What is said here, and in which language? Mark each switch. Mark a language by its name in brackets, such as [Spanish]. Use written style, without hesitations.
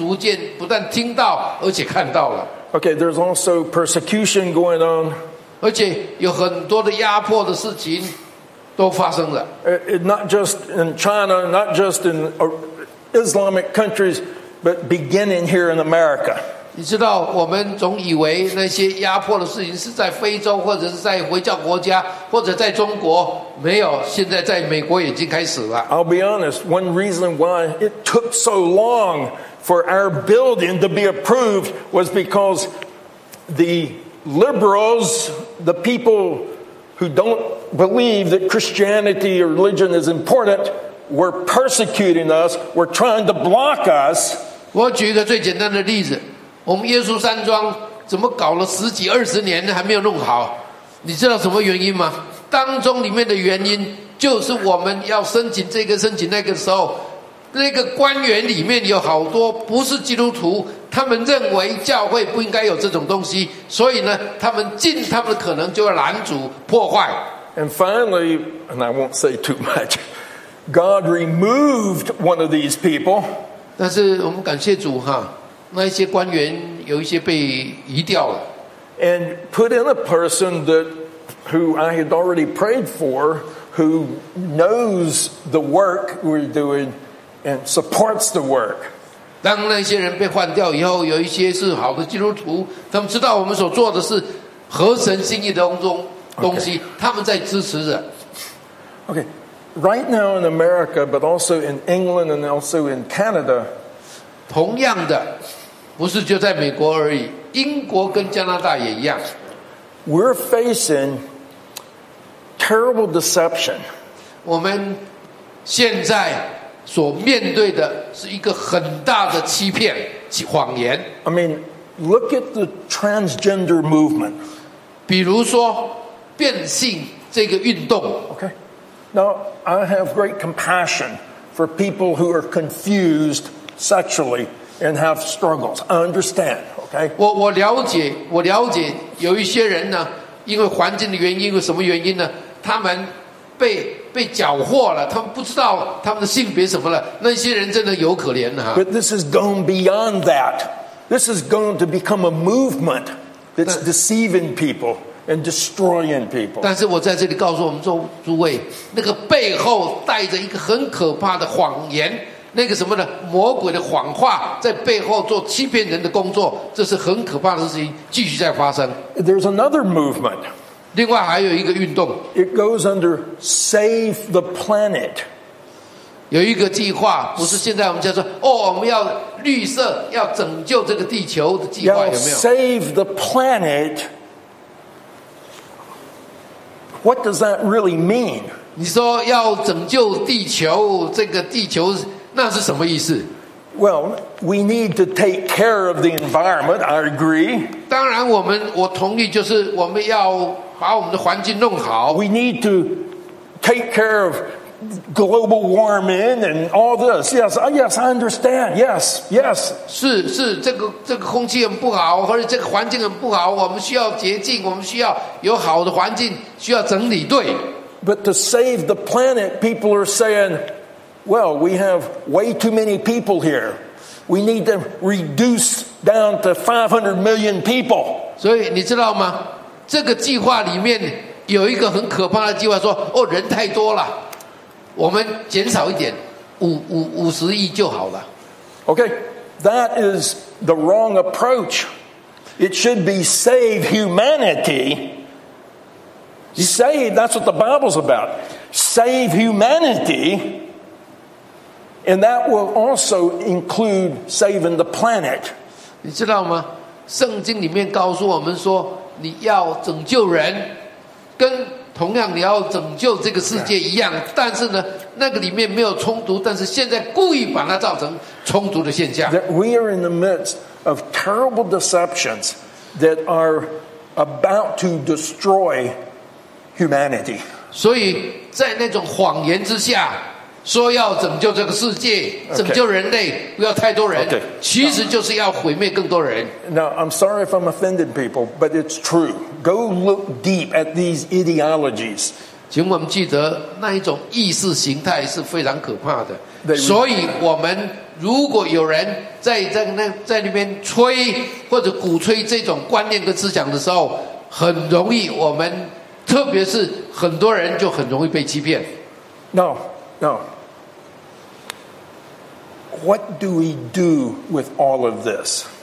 [Chinese] 过去我们所听到的那种战争的风声呢，现在我们已经逐渐不但听到，而且看到了。Okay, [English] there's also persecution going on. [Chinese] 而且有很多的压迫的事情都发生了。 [English] Not just in China, not just in Islamic countries, but beginning here in America. [Chinese] 你知道我们总以为那些压迫的事情是在非洲或者是在回教国家或者在中国，没有，现在在美国已经开始了。 [English] I'll be honest, one reason why it took so long for our building to be approved was because the liberals, the people who don't believe that Christianity or religion is important, were persecuting us, were trying to block us. [Chinese] 我举一个最简单的例子，我们耶稣山庄怎么搞了十几二十年还没有弄好，你知道什么原因吗？当中里面的原因就是我们要申请这个申请那个时候，那个官员里面有好多不是基督徒，他们认为教会不应该有这种东西，所以呢他们尽他们的可能就要拦阻破坏。 [English] And finally, and I won't say too much, God removed one of these people. [Chinese] 但是我们感谢主哈，那些官员有一些被移掉了。 [English] And put in a person that, who I had already prayed for, who knows the work we're doing and supports the work. [Chinese] 当那些人被换掉以后，有一些是好的基督徒，他们知道我们所做的是合神心意的东西，他们在支持着。 [English] Okay, right now in America, but also in England and also in Canada, [Chinese] 同样的，不是就在美国而已，英国跟加拿大也一样。 [English] We're facing terrible deception. [Chinese] 我们现在所面对的是一个很大的欺骗、谎言。 [English] I mean, look at the transgender movement. [Chinese] 比如说变性这个运动。 [English] Okay. Now, I have great compassion for people who are confused. Sexually and have struggles. I understand. Okay. [Chinese] 我了解，我了解，有一些人呢，因为环境的原因，因为什么原因呢？他们被搅和了，他们不知道他们的性别什么了。那些人真的有可怜哈。 [English] But this is going beyond that. This is going to become a movement that's deceiving people and destroying people. [Chinese] 但是我在这里告诉我们诸位，那个背后带着一个很可怕的谎言。那个什么的魔鬼的谎话在背后做欺骗人的工作，这是很可怕的事情，继续在发生。 [English] There's another movement. [Chinese] 另外还有一个运动。 [English] It goes under Save the Planet. [Chinese] 有一个计划，不是现在我们叫做哦，我们要绿色，要拯救这个地球的计划，有没有 [English] ？Save the Planet. What does that really mean? [Chinese] 你说要拯救地球，这个地球。那是什么意思？ [English] Well, we need to take care of the environment, I agree. [Chinese] 当然我同意，就是我们要把我们的环境弄好。 [English] We need to take care of global warming and all this. Yes, yes, I understand. Yes, yes. [Chinese] 是这个空气很不好，或者这个环境很不好，我们需要洁净，我们需要有好的环境，需要整理，对。 [English] But to save the planet, people are saying,Well, we have way too many people here. We need to reduce down to 500 million people. [Chinese] 所以你知道吗？这个计划里面有一个很可怕的计划，说哦，人太多了，我们减少一点，五十亿就好了。 [English] Okay, that is the wrong approach. It should be save humanity. Save, that's what the Bible's about. Save humanity. And that will also include saving the planet. [Chinese] 你知道吗？圣经里面告诉我们说，你要拯救人，跟同样你要拯救这个世界一样。但是呢，那个里面没有冲突，但是现在故意把它造成冲突的现象。 [English] That we are in the midst of terrible deceptions that are about to destroy humanity. [Chinese] 所以在那种谎言之下。说要拯救这个世界，拯救人类，不要太多人。 [English] Okay. [Chinese] 其实就是要毁灭更多人。 [English] Now I'm sorry if I'm offended people, but it's true. Go look deep at these ideologies. [Chinese] 请我们记得那一种意识形态是非常可怕的。所以我们如果有人在那边吹或者鼓吹这种观念跟思想的时候，很容易我们，特别是很多人就很容易被欺骗。 [English] No. Now, what do we do with all of this?